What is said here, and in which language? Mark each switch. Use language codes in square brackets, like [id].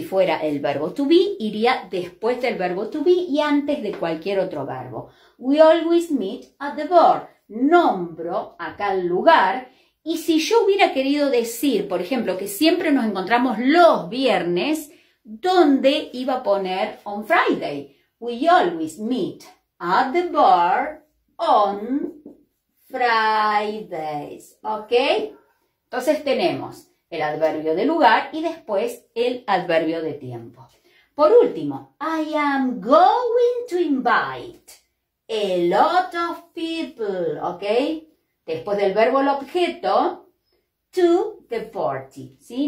[es] Si fuera el verbo to be, iría después del verbo to be y antes de cualquier otro verbo. [en] We always meet at the bar. [es] Nombro acá el lugar. Y si yo hubiera querido decir, por ejemplo, que siempre nos encontramos los viernes, ¿dónde iba a poner [en] on Friday? We always meet at the bar on Fridays. ¿Ok? [es] Entonces tenemos el adverbio de lugar y después el adverbio de tiempo. Por último, [en] I am going to invite a lot of people, ¿ok? [es] Después del verbo el objeto, [en] to the party, [es] ¿sí?